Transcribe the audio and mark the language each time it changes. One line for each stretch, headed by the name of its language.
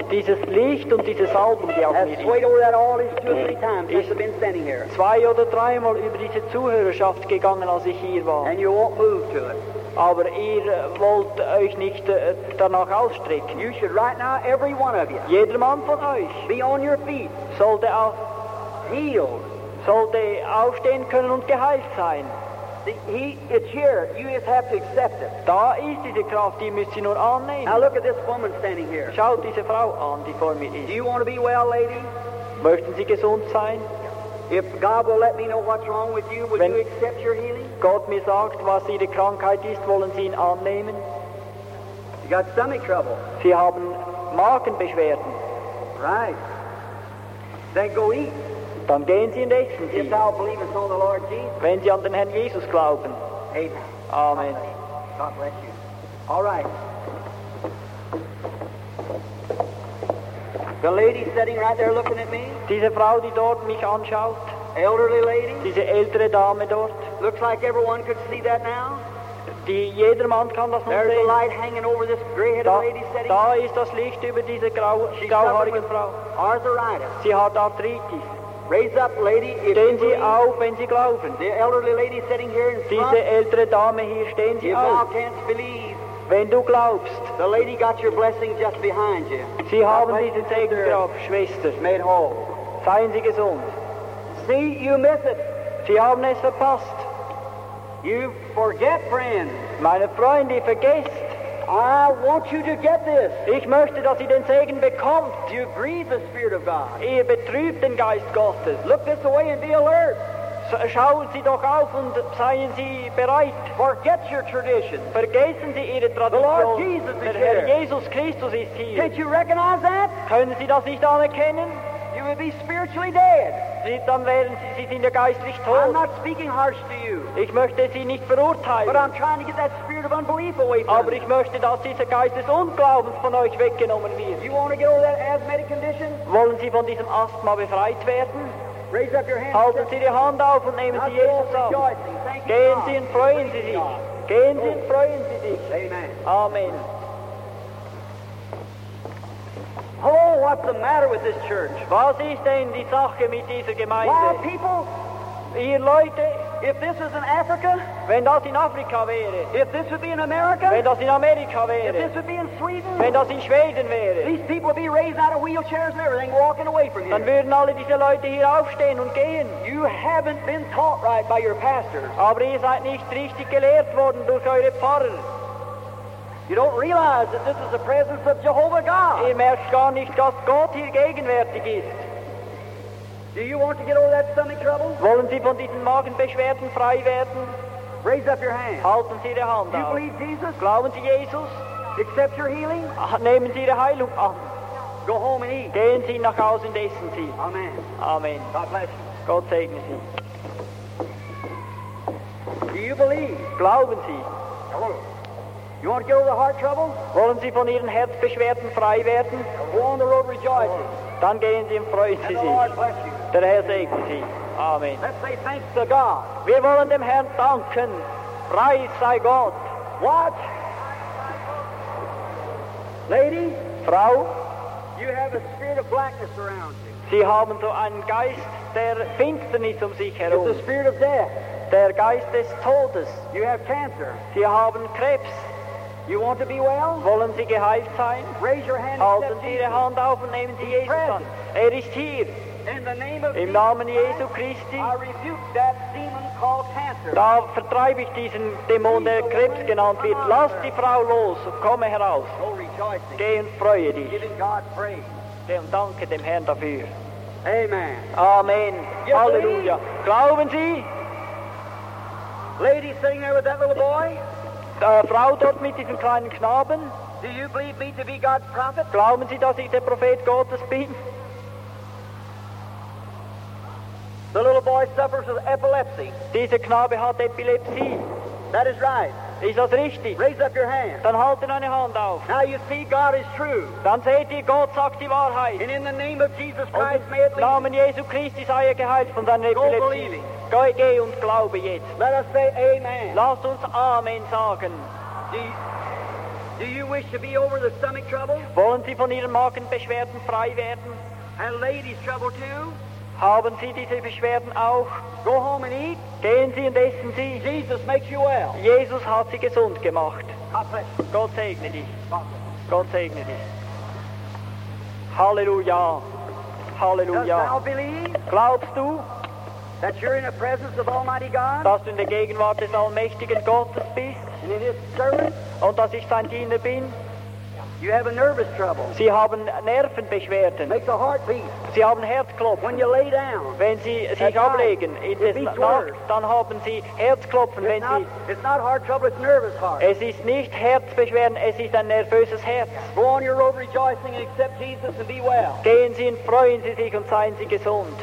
German: Dieses Licht und dieses Album, die auf mir ist.
English: Swayed over that audience two or three times since I've been standing here.
German: Zwei oder dreimal über diese Zuhörerschaft gegangen, als ich hier war.
English: And you won't move to it.
German: Aber ihr wollt euch nicht danach ausstrecken.
English: You should right now, every one of you.
German: Jeder Mann von euch.
English: Be on your feet.
German: Sollte auf
English: healed.
German: Sollte aufstehen können und geheilt sein.
English: It's here. You just have to accept it.
German: Da ist diese Kraft, die müsst ihr nur annehmen.
English: Now look at this woman standing here.
German: Schaut diese Frau an, die vor mir ist.
English: Do you want to be well, lady?
German: Möchten Sie gesund sein?
English: If God will let me know what's wrong with you, would
German: Wenn
English: you accept your healing?
German: Gott mir sagt, was Ihre Krankheit ist, wollen Sie ihn annehmen?
English: You got stomach trouble.
German: Sie haben Magenbeschwerden.
English: Right. Then go eat.
German: Dann gehen Sie und essen Sie.
English: If thou believest on the Lord Jesus.
German: Wenn Sie an den Herrn Jesus glauben.
English: Amen.
German: Amen.
English: God bless you. All right. The lady sitting right there looking at me.
German: Diese Frau, die dort mich anschaut.
English: Elderly lady.
German: Diese ältere Dame dort.
English: Looks like everyone could see that now.
German: Jedermann kann das noch
English: There's
German: sehen.
English: A light hanging over this gray-headed lady sitting.
German: Da ist das Licht über diese grauhaarige Frau.
English: Arthritis.
German: Sie hat Arthritis.
English: Raise up, lady, if
German: stehen Sie
English: you believe,
German: auf, wenn Sie glauben.
English: The elderly lady sitting here in front,
German: diese ältere Dame hier, stehen Sie
English: if
German: auf.
English: Thou canst believe,
German: wenn du glaubst.
English: The lady got your blessing just behind you.
German: Sie haben diesen Segen drauf, Schwester.
English: Made whole.
German: Seien Sie gesund.
English: See, you miss it.
German: Sie haben es verpasst.
English: You forget, friend.
German: Meine Freunde, ihr vergesst.
English: I want you to get this.
German: Ich möchte, dass ihr den Segen bekommt.
English: You grieve the Spirit of God.
German: Ihr betrübt den Geist Gottes.
English: Look this away and be alert.
German: Schauen Sie doch auf und seien Sie bereit.
English: Forget your tradition.
German: Vergessen Sie Ihre Tradition.
English: The Lord Jesus
German: Der
English: is
German: Herr
English: here.
German: Jesus Christus ist hier.
English: Can't you recognize that?
German: Können Sie das nicht anerkennen?
English: You will be spiritually dead.
German: Dann werden Sie sind ja geistlich tot.
English: I'm not speaking harsh to you.
German: Ich möchte Sie nicht verurteilen.
English: But I'm trying to get that spirit of unbelief away from you.
German: Aber ich möchte, dass dieser Geist des Unglaubens von euch weggenommen wird.
English: You want to get over that asthmatic condition?
German: Wollen Sie von diesem Asthma befreit werden?
English: Raise up your hand.
German: Halten Sie die Hand auf und nehmen Sie Jesus auf. Gehen Sie und freuen Sie sich. Gehen Sie und freuen Sie sich.
English: Amen.
German: Amen.
English: Oh, what's the matter with this church?
German: Was ist denn die Sache mit dieser Gemeinde?
English: Why, people?
German: Ihr Leute,
English: if this is in Africa,
German: wenn das in Afrika wäre,
English: if this would be in America,
German: wenn das in Amerika wäre,
English: if this would be in Sweden,
German: wenn das in Schweden wäre,
English: these people would be raised out of wheelchairs and everything, walking away from here.
German: Dann würden alle diese Leute hier aufstehen und gehen.
English: You haven't been taught right by your pastors.
German: Aber ihr seid nicht richtig gelehrt worden durch eure Pfarrer.
English: You don't realize that this is the presence of Jehovah God.
German: Ihr merkt gar nicht, dass Gott hier gegenwärtig ist.
English: Do you want to get over that stomach trouble?
German: Wollen Sie von diesen Magenbeschwerden frei werden?
English: Raise up your hand.
German: Halten Sie Ihre Hand
English: you
German: auf.
English: Believe Jesus?
German: Glauben Sie Jesus?
English: Accept your healing?
German: Nehmen Sie Ihre Heilung an.
English: Go home and eat.
German: Gehen Sie nach Hause und essen Sie.
English: Amen.
German: Amen.
English: God bless you.
German: Gott segne Sie.
English: Do you believe?
German: Glauben Sie?
English: Hello. You want to get over the heart trouble?
German: Wollen Sie von Ihren Herzbeschwerden frei werden?
English: Go on the road rejoicing.
German: Dann gehen Sie und freuen Sie sich.
English: Lord bless you.
German: Der Herr segne Sie. Amen.
English: Let's say thanks to God.
German: Wir wollen dem Herrn danken. Preis sei Gott.
English: What? Lady?
German: Frau?
English: You have a spirit of blackness around you.
German: Sie haben so einen Geist der Finsternis um sich herum.
English: It's the spirit of death.
German: Der Geist des Todes.
English: You have cancer.
German: Sie haben Krebs.
English: You want to be well?
German: Wollen Sie geheilt sein?
English: Raise your hand.
German: Halten Sie Ihre Hand auf und nehmen Sie Jesus an. Er ist hier.
English: In the name of
German: Im Namen Jesu Christi.
English: I rebuke that demon called cancer.
German: Da vertreibe ich diesen Dämon, der Krebs genannt wird. Lass die Frau los und komme heraus.
English: Go rejoicing.
German: Geh und freue dich.
English: Giving God praise.
German: Und danke dem Herrn dafür.
English: Amen.
German: Amen.
English: You Halleluja. Believe?
German: Glauben Sie?
English: Lady sitting there with that little boy?
German: Frau dort mit diesem kleinen Knaben?
English: Do you believe me to be God's prophet?
German: Glauben Sie, dass ich der Prophet Gottes bin?
English: The little boy suffers with epilepsy.
German: Dieser Knabe hat Epilepsie.
English: That is right.
German: Ist das richtig?
English: Raise up your hand.
German: Dann halten eine Hand auf.
English: Now you see God is true.
German: Dann seht ihr, Gott sagt die Wahrheit.
English: And in the name of Jesus Christ, may it leave.
German: Im Namen Jesu Christi sei er geheilt von seiner Epilepsie. Geh und glaube jetzt.
English: Let us say amen.
German: Lass uns Amen sagen.
English: Do you wish to be over the stomach trouble?
German: Wollen Sie von Ihren Magenbeschwerden frei werden?
English: And ladies trouble too?
German: Haben Sie diese Beschwerden auch?
English: Go home and eat.
German: Gehen Sie und essen Sie.
English: Jesus makes you well.
German: Jesus hat Sie gesund gemacht.
English: God bless.
German: Gott segne dich. Gott segne dich. Halleluja. Halleluja.
English: Dost thou believe?
German: Glaubst du?
English: That you're in the presence of Almighty God?
German: Dass du in der Gegenwart des Allmächtigen Gottes bist?
English: And in his servant?
German: Und dass ich sein Diener bin?
English: You have a nervous trouble.
German: Sie haben Nervenbeschwerden.
English: Make the heart beat.
German: Sie haben Herzklopfen.
English: When you lay down,
German: wenn Sie sich ablegen,
English: it beats
German: Nacht,
English: worse.
German: Dann haben Sie Herzklopfen.
English: It's,
German: wenn
English: not,
German: Sie,
English: it's not heart trouble, it's nervous heart.
German: Es ist nicht Herzbeschwerden, es ist ein nervöses Herz.
English: Go on your road rejoicing and accept Jesus and be well.
German: Gehen Sie und freuen Sie sich und seien Sie gesund.